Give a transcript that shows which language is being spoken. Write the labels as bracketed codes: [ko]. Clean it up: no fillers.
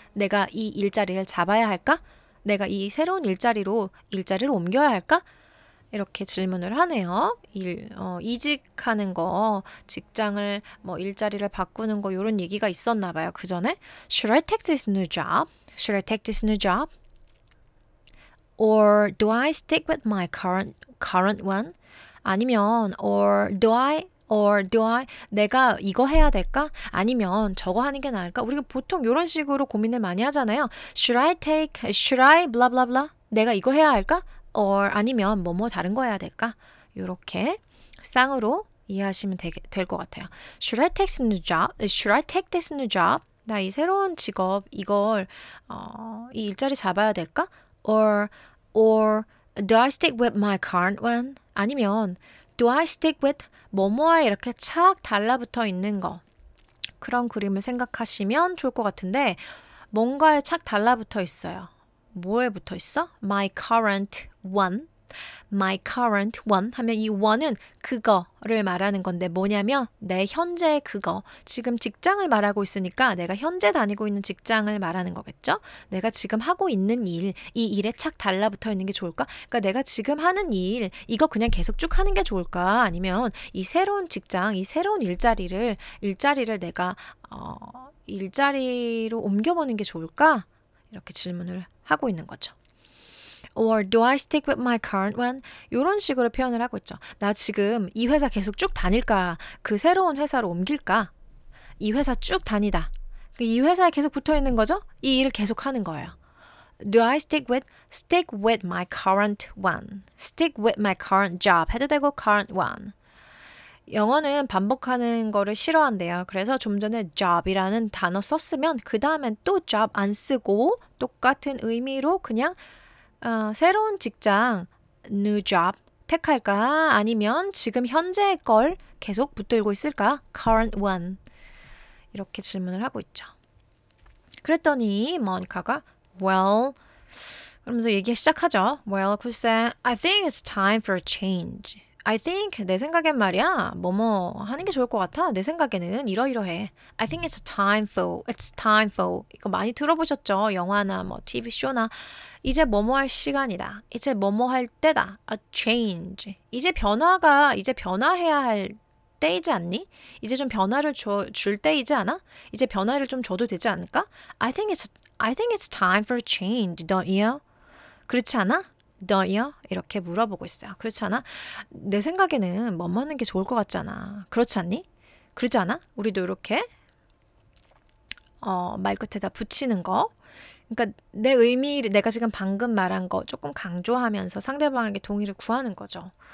[ko] 내가 이 일자리를 잡아야 할까? 내가 이 새로운 일자리를 옮겨야 할까? 이렇게 질문을 하네요. 이직하는 거, 직장을, 뭐 일자리를 바꾸는 거 이런 얘기가 있었나 봐요. 그 전에 [en] Should I take this new job? Should I take this new job? Or do I stick with my current one? [ko] 아니면 [en] or do I [ko] 내가 이거 해야 될까? 아니면 저거 하는 게 나을까? 우리가 보통 이런 식으로 고민을 많이 하잖아요. [en] Should I blah blah blah? [ko] 내가 이거 해야 할까? or 아니면 뭐뭐 다른 거 해야 될까? 이렇게 쌍으로 이해하시면 될 것 같아요. [en] Should I take this new job? [ko] 나 이 새로운 직업 이걸 이 일자리 잡아야 될까? [en] Or do I stick with my current one? [ko] 아니면 [en] do I stick with [ko] 뭐뭐와 이렇게 착 달라붙어 있는 거 그런 그림을 생각하시면 좋을 것 같은데 뭔가에 착 달라붙어 있어요. 뭐에 붙어 있어? [en] My current one. My current one [ko] 하면 이 one은 그거를 말하는 건데 뭐냐면 내 현재 그거. 지금 직장을 말하고 있으니까 내가 현재 다니고 있는 직장을 말하는 거겠죠? 내가 지금 하고 있는 일, 이 일에 착 달라붙어 있는 게 좋을까? 그러니까 내가 지금 하는 일, 이거 그냥 계속 쭉 하는 게 좋을까? 아니면 이 새로운 직장, 이 새로운 일자리를 내가 일자리로 옮겨보는 게 좋을까? 이렇게 질문을 하고 있는 거죠. [en] Or do I stick with my current one? [ko] 이런 식으로 표현을 하고 있죠. 나 지금 이 회사 계속 쭉 다닐까? 그 새로운 회사로 옮길까? 이 회사 쭉 다니다. 이 회사에 계속 붙어있는 거죠? 이 일을 계속 하는 거예요. [en] Do I stick with? Stick with my current one. Stick with my current job. [ko] 해도 되고 [en] current one. [ko] 영어는 반복하는 거를 싫어한대요. 그래서 좀 전에 job이라는 단어 썼으면 그 다음엔 또 job 안 쓰고 똑같은 의미로 그냥 새로운 직장, new job 택할까? 아니면 지금 현재의 걸 계속 붙들고 있을까? current one 이렇게 질문을 하고 있죠. 그랬더니 모니카가 well 그러면서 얘기 시작하죠. [en] Well, [ko] 글쎄, [en] I think it's time for a change. I think [ko] 내 생각엔 말이야 뭐뭐 하는 게 좋을 것 같아. 내 생각에는 이러이러해. [en] I think it's time for [ko] 이거 많이 들어보셨죠? 영화나 뭐 TV 쇼나 이제 뭐뭐 할 시간이다. 이제 뭐뭐 할 때다. [en] A change. [ko] 이제 변화해야 할 때이지 않니? 이제 좀 변화를 줄 때이지 않아? 이제 변화를 좀 줘도 되지 않을까? [en] I think it's time for a change, don't you? [ko] 그렇지 않아? [en] Don't you? [ko] 이렇게 물어보고 있어요. 그렇지 않아? 내 생각에는 뭐뭐하는 게 좋을 것 같잖아. 그렇지 않니? 그러지 않아? 우리도 이렇게 말끝에다 붙이는 거. 그러니까 내 의미를 내가 지금 방금 말한 거 조금 강조하면서 상대방에게 동의를 구하는 거죠.